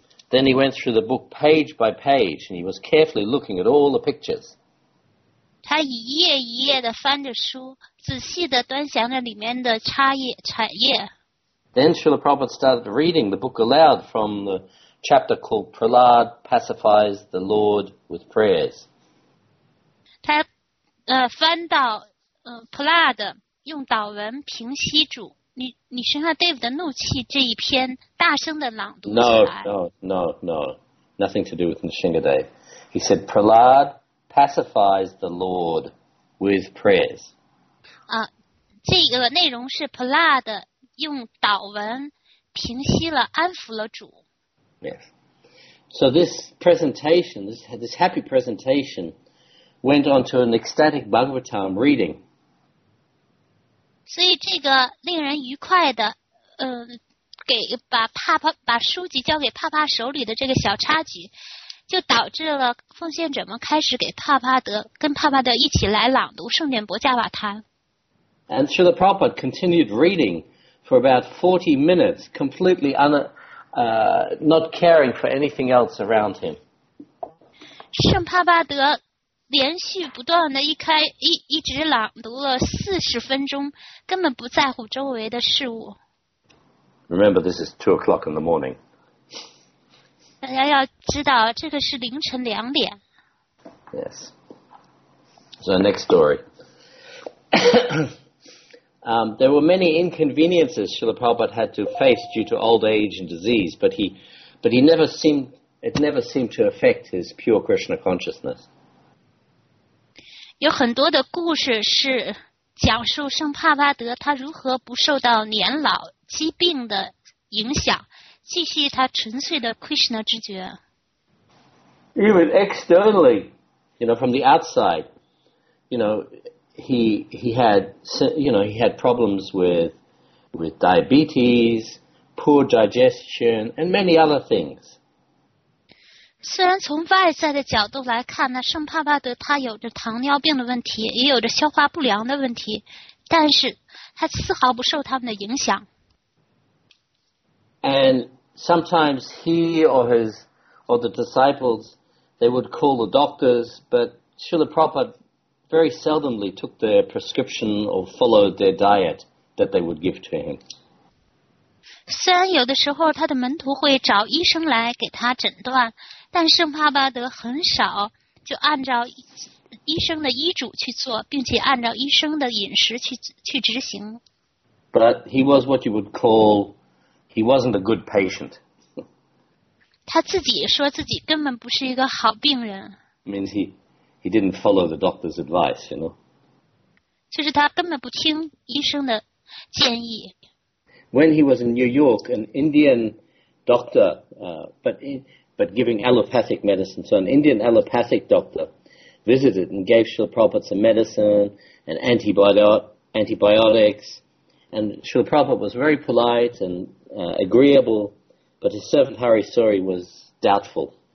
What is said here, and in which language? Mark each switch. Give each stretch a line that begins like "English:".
English: Then he went through the book page by page and he was carefully looking at all the pictures.
Chinese: 他一页一页的翻着书，仔细的端详着里面的彩页。
English: Then Srila Prabhupada started reading the book aloud from the chapter called Prahlad Pacifies the Lord with Prayers.
Chinese: 他翻到Prahlad 用祷文平息主你身上 Dave 的怒气这一篇大声的朗读起来。
English: No, nothing to do with Nrisimha Dev. He said Prahlad pacifies the Lord with prayers.
Chinese: 这个内容是 Prahlad用祷文平息了安抚了主。
English: Yes. So this presentation, this happy presentation, went on to an ecstatic Bhagavatam reading.
Chinese: 所以这个令人愉快的，把书籍交给帕帕手里的这个小插曲，就导致了奉献者们开始给帕帕德跟帕帕德一起来朗读圣典博加瓦坛。
English: And through the Prabhupada continued reading. For about 40 minutes, completely not caring for anything else around him.
Chinese: 圣帕巴德连续不断的一直朗读了40分钟，根本不在乎周围的事物。
English: Remember, this is 2 o'clock in the morning.
Chinese: 大家要知道，这个是凌晨2点。
English: Yes. So next story. There were many inconveniences Srila Prabhupada had to face due to old age and disease, but it never seemed to affect his pure Krishna consciousness.
Chinese: 有很多的故事是讲述圣帕巴德他如何不受到年老疾病的影响，继续他纯粹的 Krishna 知觉。
English: Even externally, you know, from the outside, you know,He had problems with diabetes, poor digestion, and many other things.
Chinese: 虽然从外在的角度来看呢，圣帕巴德他有着糖尿病的问题，也有着消化不良的问题，但是他丝毫不受他们的影响。
English: And sometimes he or his or the disciples they would call the doctors, but Srila Prabhupada. Very seldomly took their prescription or followed their diet that they would give to him.
Chinese: 虽然有的时候他的门徒会找医生来给他诊断，但圣帕巴德很少就按照医生的医嘱去做，并且按照医生的饮食去执行。
English: But he was what you would call, he wasn't a good patient.
Chinese: 他自己说自己根本不是一个好病人。
English: Means he didn't follow the doctor's advice, you know.
Chinese: 就是他根本不听医生的建议。
English: When he was in New York, an Indian doctor, but giving allopathic medicine, so an Indian allopathic doctor visited and gave Srila Prabhupada some medicine and antibiotics. And Srila Prabhupada was very polite and agreeable, but his servant Hari Suri was doubtful.